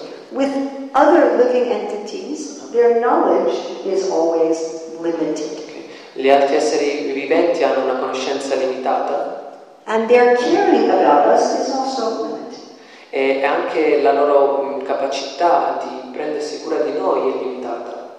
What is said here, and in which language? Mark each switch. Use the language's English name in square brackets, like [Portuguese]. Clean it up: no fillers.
[English] with other living entities, their knowledge is always limited. [Italian] Gli altri esseri viventi hanno una conoscenza limitata. [English] And their caring about us is also limited. [Italian] E anche la loro capacità di prendersi cura di noi è limitata.